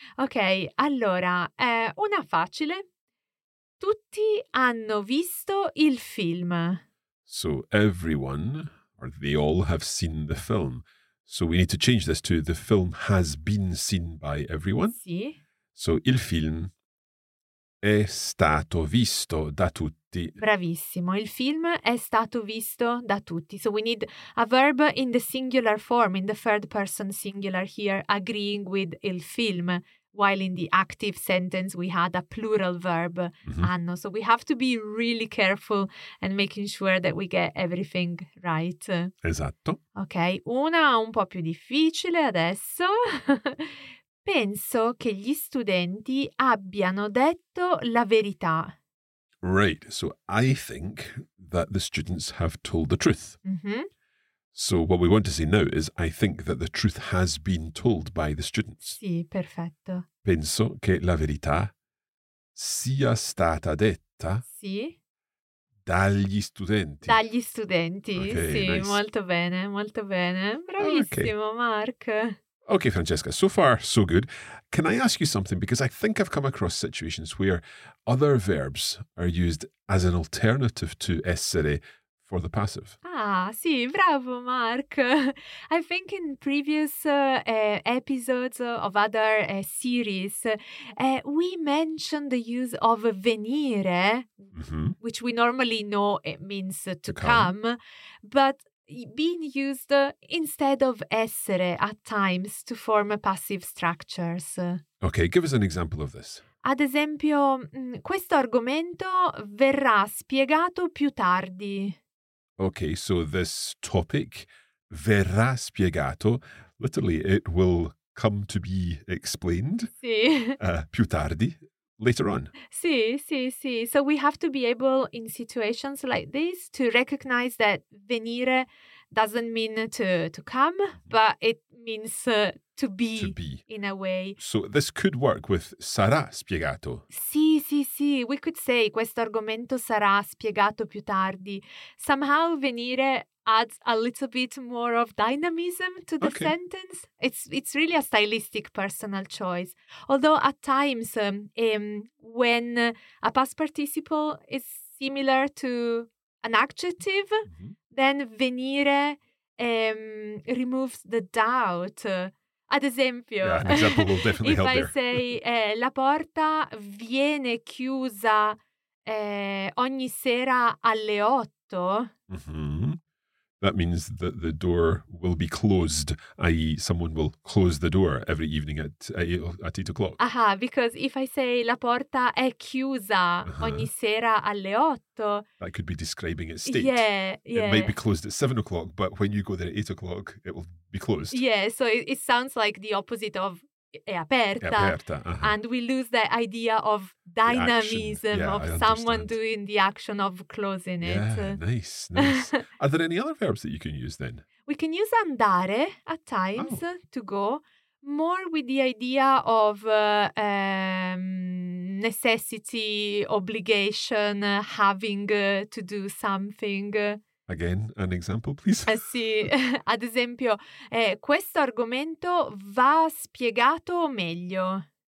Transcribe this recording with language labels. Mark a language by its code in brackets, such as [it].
[it] Okay, allora, una facile. Tutti hanno visto il film. [en] So everyone, or they all have seen the film. So we need to change this to the film has been seen by everyone. [it] Sì. [en] So [it] il film è stato visto da tutti. Bravissimo, il film è stato visto da tutti. [en] So we need a verb in the singular form, in the third person singular here, agreeing with [it] il film, [en] while in the active sentence we had a plural verb, mm-hmm. [it] hanno. [en] So we have to be really careful and making sure that we get everything right. [it] Esatto. Ok, una un po' più difficile adesso. Penso che gli studenti abbiano detto la verità. [en] Right, so I think that the students have told the truth. Mm-hmm. So what we want to say now is I think that the truth has been told by the students. [it] Sì, perfetto. Penso che la verità sia stata detta sì. dagli studenti. Dagli studenti, [en] okay, [it] sì, [en] nice. [it] Molto bene, bravissimo, [en] okay. Mark. Okay, Francesca, so far, so good. Can I ask you something? Because I think I've come across situations where other verbs are used as an alternative to essere for the passive. [it] Ah, sì, bravo, Mark. [en] I think in previous episodes of other series, we mentioned the use of venire, which we normally know it means to come, but being used instead of essere at times to form passive structures. Okay, give us an example of this. [it] Ad esempio, questo argomento verrà spiegato più tardi. [en] Okay, so this topic [it] verrà spiegato. [en] Literally, it will come to be explained. [it] Sì. Più tardi, [en] later on. [it] Sì, sì, sì. [en] So we have to be able in situations like this to recognize that venire doesn't mean to come, but it means to be in a way. So this could work with [it] sarà spiegato. Sì, sì, sì. [en] We could say [it] questo argomento sarà spiegato più tardi. [en] Somehow venire adds a little bit more of dynamism to the sentence. It's really a stylistic personal choice. Although at times when a past participle is similar to an adjective, then venire removes the doubt. [it] Ad esempio, [en] if I say [it] la porta viene chiusa ogni sera alle 8. Mm-hmm. [en] That means that the door will be closed, i.e. someone will close the door every evening at 8 o'clock. Aha, because if I say [it] la porta è chiusa ogni sera alle 8. [en] That could be describing its state. Yeah. It might be closed at 7 o'clock, but when you go there at 8 o'clock, it will be closed. Yeah, so it sounds like the opposite of [it] è aperta. Uh-huh. [en] And we lose that idea of dynamism, yeah, of someone doing the action of closing it. Yeah, nice. Are there any other verbs that you can use then? We can use andare at times, to go, more with the idea of necessity, obligation, having to do something. Again, an example, please. [it] Sì, ad esempio, questo argomento va spiegato meglio.